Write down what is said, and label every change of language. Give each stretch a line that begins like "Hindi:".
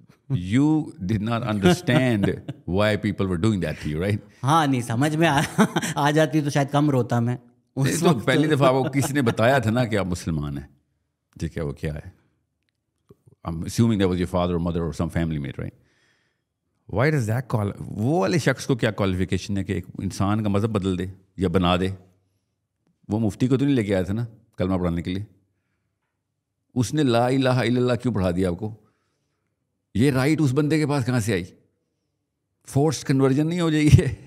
English: You did not understand why people were doing that to you, right?
Hindi: हाँ नहीं समझ में आ जाती तो शायद कम रोता मैं उस वक्त. तो पहली दफा वो किसी ने बताया था ना कि आप मुसलमान हैं, ठीक है, वो क्या है?
English: I'm assuming that was your father or mother or some family mate, right? Why does that call?
Hindi: वो वाले शख्स को क्या qualification है कि एक इंसान का मज़हब बदल दे या बना दे? वो मुफ्ती को तो नहीं लेके आया था ना कलमा पढ़ाने के लिए. उसने ला इलाहा इल्लल्लाह क्यों पढ़ा दिया आपको? ये राइट उस बंदे के पास कहाँ से आई? फोर्स कन्वर्जन नहीं हो जाएगी?